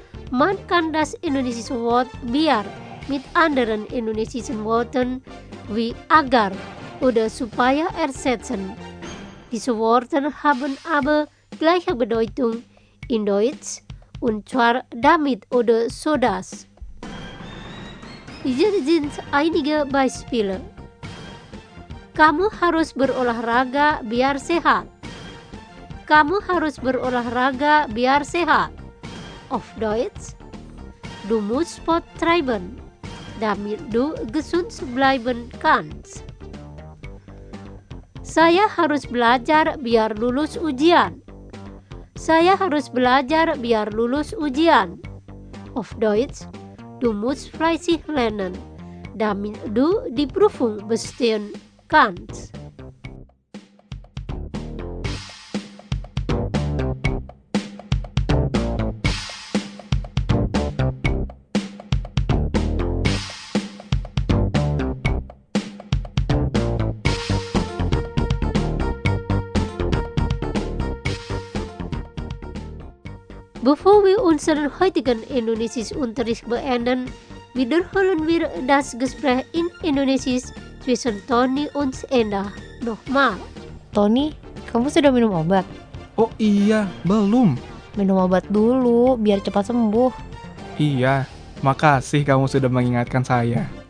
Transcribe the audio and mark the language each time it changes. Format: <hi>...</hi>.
<de>Man kann das indonesische Wort biar mit anderen indonesischen Worten wie agar oder supaya ersetzen. Diese Worte haben aber gleiche Bedeutung in Deutsch, und zwar damit oder so das. Hier sind einige Beispiele.</de> <id>Kamu harus berolahraga biar sehat. Kamu harus berolahraga biar sehat.</id> <de>Auf Deutsch. Du musst Sport treiben, damit du gesund bleiben kannst.</de> <id>Saya harus belajar biar lulus ujian. Saya harus belajar biar lulus ujian.</id> <de>Auf Deutsch, du musst fleißig lernen, damit du die Prüfung bestehen kannst. Bevor wir unseren heutigen Indonesischen Unterricht beenden, wiederholen wir das Gespräch in Indonesisch zwischen Toni und Enda nochmal.</de> <id>Toni, kamu sudah minum obat? Oh iya, belum. Minum obat dulu, biar cepat sembuh. Iya, makasih kamu sudah mengingatkan saya.</id>